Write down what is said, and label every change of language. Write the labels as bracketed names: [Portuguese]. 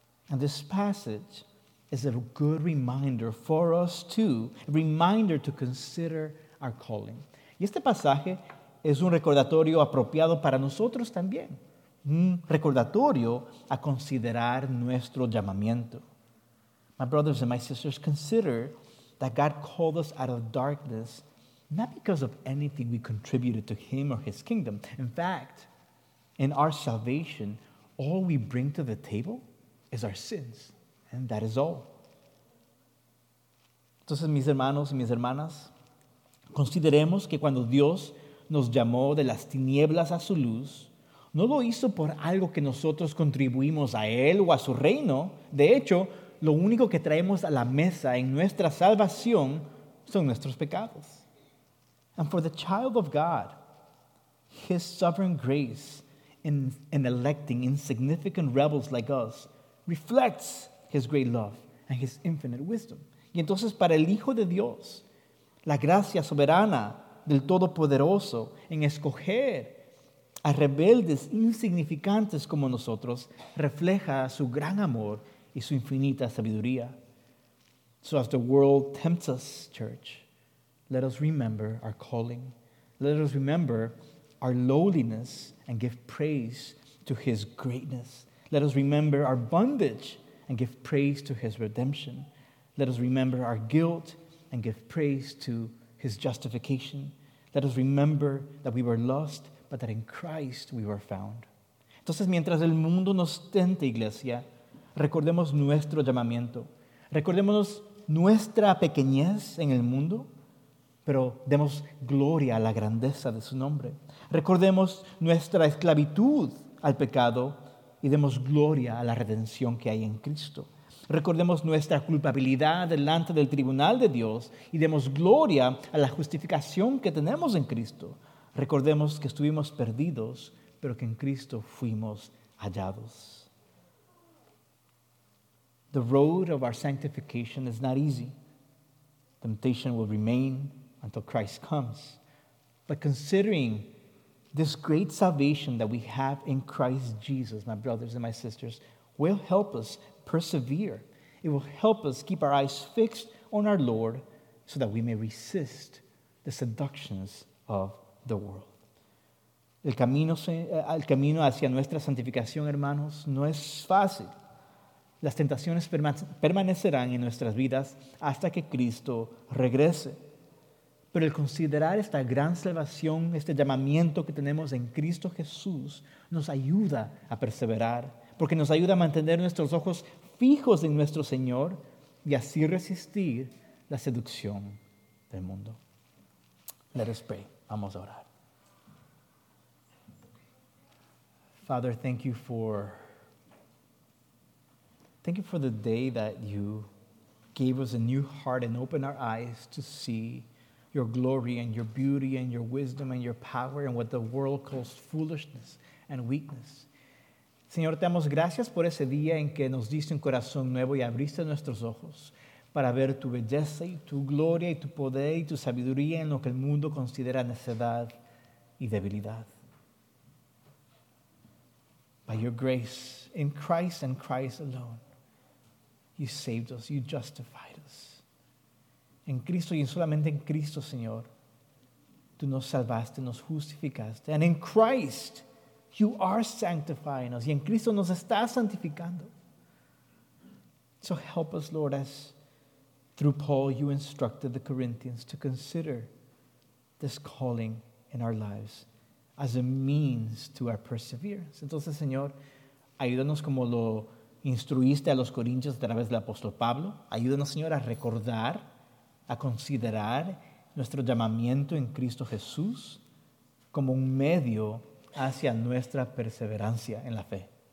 [English] And this passage is a good reminder for us too, a reminder to consider our calling. [Spanish] Y este pasaje es un recordatorio apropiado para nosotros también, un recordatorio a considerar nuestro llamamiento. [English] My brothers and my sisters, consider that God called us out of darkness not because of anything we contributed to him or his kingdom. In fact, in our salvation, all we bring to the table is our sins, and that is all. [Spanish] Entonces, mis hermanos y mis hermanas, consideremos que cuando Dios nos llamó de las tinieblas a su luz, no lo hizo por algo que nosotros contribuimos a él o a su reino. De hecho, lo único que traemos a la mesa en nuestra salvación son nuestros pecados. [English] And for the child of God, his sovereign grace in electing insignificant rebels like us reflects his great love and his infinite wisdom. [Spanish] Y entonces para el Hijo de Dios, la gracia soberana del Todopoderoso en escoger a rebeldes insignificantes como nosotros refleja su gran amor y su infinita sabiduría. [English] So as the world tempts us, church, let us remember our calling. Let us remember our lowliness and give praise to his greatness. Let us remember our bondage and give praise to his redemption. Let us remember our guilt and give praise to his justification. Let us remember that we were lost, but that in Christ we were found. [Spanish] Entonces, mientras el mundo nos tente, iglesia, recordemos nuestro llamamiento. Recordemos nuestra pequeñez en el mundo, pero demos gloria a la grandeza de su nombre. Recordemos nuestra esclavitud al pecado y demos gloria a la redención que hay en Cristo. Recordemos nuestra culpabilidad delante del tribunal de Dios y demos gloria a la justificación que tenemos en Cristo. Recordemos que estuvimos perdidos, pero que en Cristo fuimos hallados. [English] The road of our sanctification is not easy. Temptation will remain until Christ comes. But considering this great salvation that we have in Christ Jesus, my brothers and my sisters, will help us persevere. It will help us keep our eyes fixed on our Lord so that we may resist the seductions of the world. [Spanish] El camino hacia nuestra santificación, hermanos, no es fácil. Las tentaciones permanecerán en nuestras vidas hasta que Cristo regrese. Pero el considerar esta gran salvación, este llamamiento que tenemos en Cristo Jesús, nos ayuda a perseverar, porque nos ayuda a mantener nuestros ojos fijos en nuestro Señor y así resistir la seducción del mundo. [English] Let us pray. [Spanish] Vamos a orar. [English] Father, thank you for the day that you gave us a new heart and opened our eyes to see your glory and your beauty and your wisdom and your power and what the world calls foolishness and weakness. [Spanish] Señor, te damos gracias por ese día en que nos diste un corazón nuevo y abriste nuestros ojos para ver tu belleza y tu gloria y tu poder y tu sabiduría en lo que el mundo considera necedad y debilidad. [English] By your grace, in Christ and Christ alone, you saved us, you justified us. [Spanish] En Cristo y solamente en Cristo, Señor, tú nos salvaste, nos justificaste. [English] And in Christ, you are sanctifying us. [Spanish] Y en Cristo nos estás santificando. [English] So help us, Lord, as through Paul you instructed the Corinthians to consider this calling in our lives as a means to our perseverance. [Spanish] Entonces, Señor, ayúdanos como lo instruiste a los corintios a través del apóstol Pablo. Ayúdanos, Señor, a recordar, a considerar nuestro llamamiento en Cristo Jesús como un medio hacia nuestra perseverancia en la fe.